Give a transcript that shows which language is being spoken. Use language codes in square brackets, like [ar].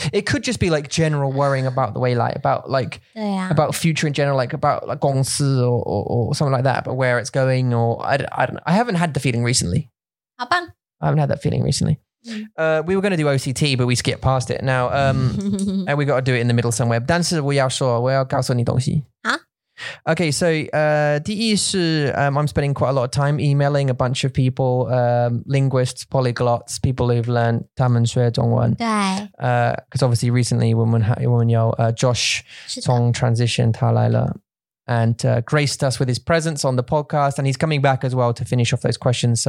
[en] It could just be like general worrying about the way, like about like about future in general, like about like 公司 or something like that. But where it's going, or I haven't had the feeling recently. I haven't had that feeling recently. We were going to do OCT, but we skipped past it. Now and we got to do it in the middle somewhere. [zh] 但是我要说，我要告诉你东西。 [en] Okay, so I'm spending quite a lot of time emailing a bunch of people, linguists, polyglots, people who've learned [zh] 他们学中文. [en] Because obviously recently Josh [zh] 从 [en] transition [zh] 他来了 [en] and graced us with his presence on the podcast, and he's coming back as well to finish off those questions.